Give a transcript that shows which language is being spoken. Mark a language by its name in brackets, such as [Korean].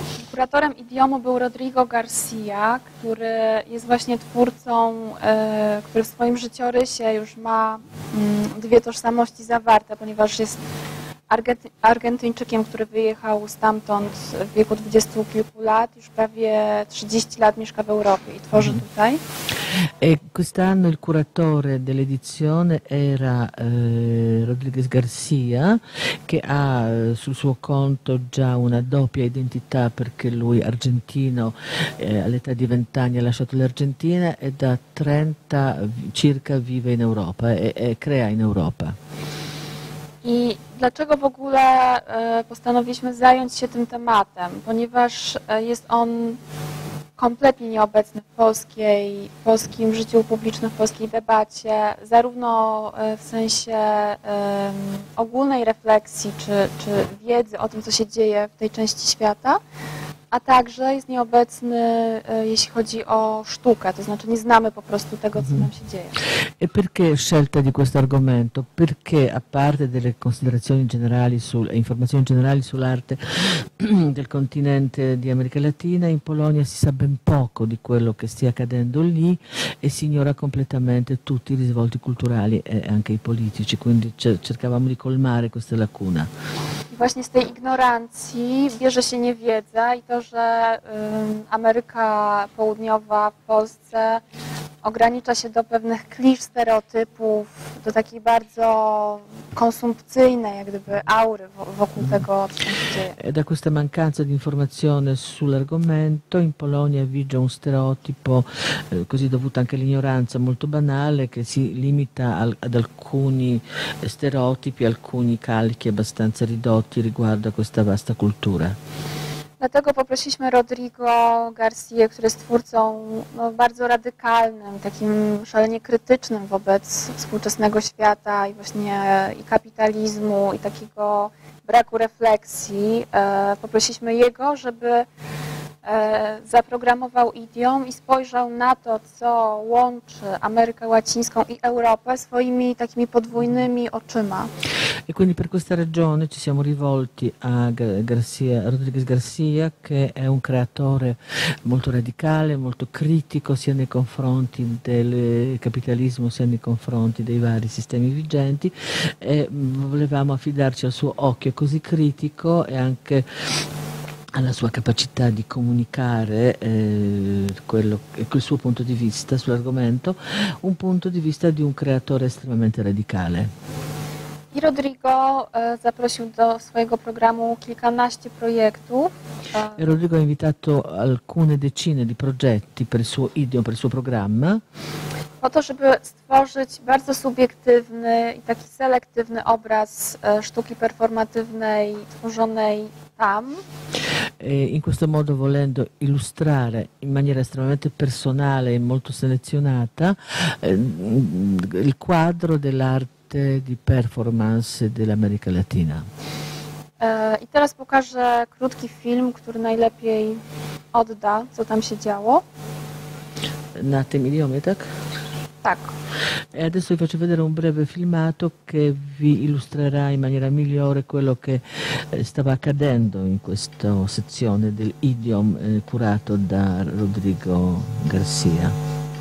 [Polish] Kuratorem idiomu był Rodrigo Garcia, który jest właśnie twórcą, który w swoim życiorysie już ma dwie tożsamości zawarte, ponieważ jest Argentyńczykiem, który wyjechał stamtąd w wieku 20 kilku lat, już prawie 30 lat mieszka w Europie i tworzy tutaj. [Italian] E quest'anno il curatore dell'edizione era Rodriguez Garcia, che ha sul suo conto già una doppia identità, perché lui argentino, all'età di 20 anni ha lasciato l'Argentina e da 30 circa vive in Europa e crea in Europa. [Polish] I dlaczego w ogóle postanowiliśmy zająć się tym tematem? Ponieważ jest on kompletnie nieobecny w polskim życiu publicznym, w polskiej debacie, zarówno w sensie ogólnej refleksji czy wiedzy o tym, co się dzieje w tej części świata, a także jest nieobecny, jeśli chodzi o sztukę, to znaczy nie znamy po prostu tego, co nam się dzieje. [Italian] E perché scelta di questo argomento? Perché a parte delle considerazioni generali informazioni generali sull'arte del continente di America Latina, in Polonia si sa ben poco di quello che stia accadendo lì e si ignora completamente tutti i risvolti culturali e anche i politici, quindi cercavamo di colmare questa lacuna. [Polish] I właśnie z tej ignorancji bierze się niewiedza i to, że Ameryka Południowa w Polsce ogranicza się do pewnych klisz, stereotypów, do takiej bardzo konsumpcyjnej jak gdyby aury wokół tego, co się dzieje. [Italian] Da questa mancanza di informazione sull'argomento in Polonia vige un stereotipo così dovuto anche all'ignoranza molto banale che si limita ad alcuni stereotipi, alcuni calchi abbastanza ridotti riguardo a questa vasta cultura. [Polish] Dlatego poprosiliśmy Rodrigo Garcia, który jest twórcą bardzo radykalnym, takim szalenie krytycznym wobec współczesnego świata i właśnie i kapitalizmu i takiego braku refleksji. Poprosiliśmy jego, żeby zaprogramował idiom i spojrzał na to, co łączy Amerykę Łacińską i Europę swoimi takimi podwójnymi oczyma. [Italian] E quindi per questa ragione ci siamo rivolti a Rodriguez Garcia, che è un creatore molto radicale, molto critico sia nei confronti del capitalismo sia nei confronti dei vari sistemi vigenti, e volevamo affidarci al suo occhio così critico e anche alla sua capacità di comunicare quel suo punto di vista sull'argomento, un punto di vista di un creatore estremamente radicale. [Polish] I Rodrigo zaprosił do swojego programu kilkanaście projektów. [Italian] Rodrigo ha invitato alcune decine di progetti per il suo idiom, per il suo programma. [Polish] Po to, żeby stworzyć bardzo subiektywny i taki selektywny obraz sztuki performatywnej tworzonej tam. [Italian] In questo modo volendo illustrare in maniera estremamente personale e molto selezionata il quadro dell'arte di performance dell'America Latina. [Polish] I teraz pokażę krótki film, który najlepiej odda, co tam się działo. Na tym idiomie, tak? Tak. [Italian] E adesso vi faccio vedere un breve filmato che vi illustrerà in maniera migliore quello che stava accadendo in questa sezione del idiom curato da Rodrigo Garcia.